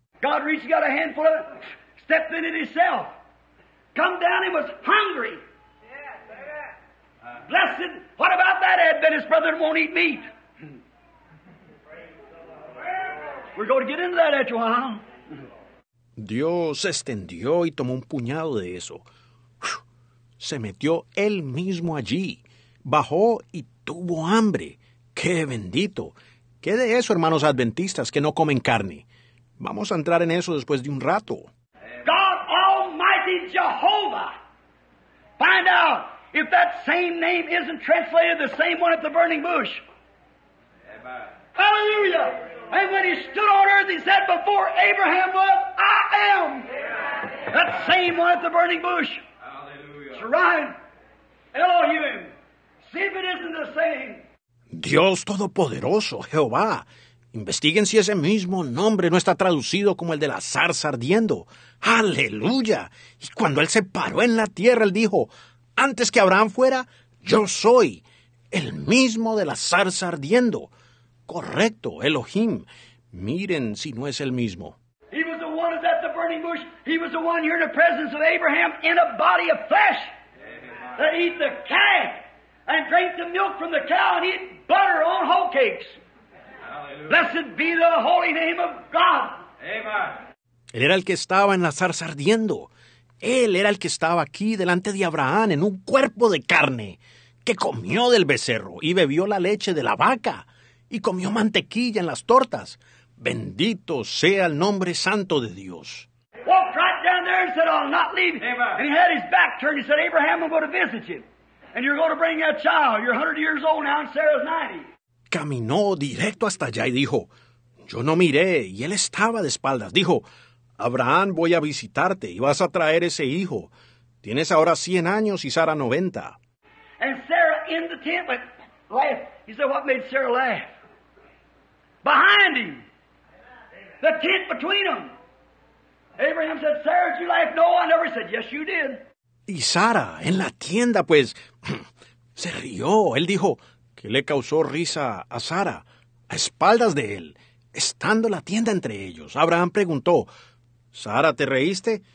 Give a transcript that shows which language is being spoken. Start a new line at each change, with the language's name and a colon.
English: God reached, got a handful of it, stepped in it himself. Come down, he was hungry. Blessed. What about that Adventist brother that won't eat meat? We're going to get into that at your house.
Spanish: Dios extendió y tomó un puñado de eso. Se metió él mismo allí. Bajó y tuvo hambre. ¡Qué bendito! ¿Qué de eso, hermanos adventistas, que no comen carne? Vamos a entrar en eso después de un rato.
English: God Almighty Jehovah. Find out if that same name isn't translated the same one at the burning bush. Hallelujah! And when he stood on earth, he said, before Abraham was, I am. That same one at the burning bush. Hallelujah. It's Ryan. Elohim. See if it isn't the same.
Spanish: Dios Todopoderoso, Jehová. Investiguen si ese mismo nombre no está traducido como el de la zarza ardiendo. ¡Aleluya! Y cuando él se paró en la tierra, él dijo, antes que Abraham fuera, yo soy el mismo de la zarza ardiendo. Correcto, Elohim. Miren si no es el mismo.
English: He was the one at the burning bush. He was the one here in the presence of Abraham in a body of flesh. That eat the calf and drank the milk from the cow and eat butter on whole cakes. Blessed be the holy name of God. Amen.
Spanish: Él era el que estaba en la zarza ardiendo. Él era el que estaba aquí delante de Abraham en un cuerpo de carne, que comió del becerro y bebió la leche de la vaca y comió mantequilla en las tortas. Bendito sea el nombre santo de Dios.
English: Walked right down there and said, I'll not leave. Amen. And he had his back turned. He said, Abraham, I'm going to visit you. And you're going to bring that child. You're 100 years old now and Sarah's 90.
Spanish: Caminó directo hasta allá y dijo, yo no miré, y él estaba de espaldas. Dijo, Abraham, voy a visitarte y vas a traer ese hijo. Tienes ahora 100 años y Sara 90.
English: And Sarah in the tent, but laugh. He said, what made Sarah laugh? Behind him. The tent between them. Abraham said, Sarah, did you laugh? No, I never said, yes, you did.
Spanish: Y Sara en la tienda, pues, se rió. Él dijo, ¿qué le causó risa a Sara? A espaldas de él, estando la tienda entre ellos. Abraham preguntó, ¿Sara, te reíste?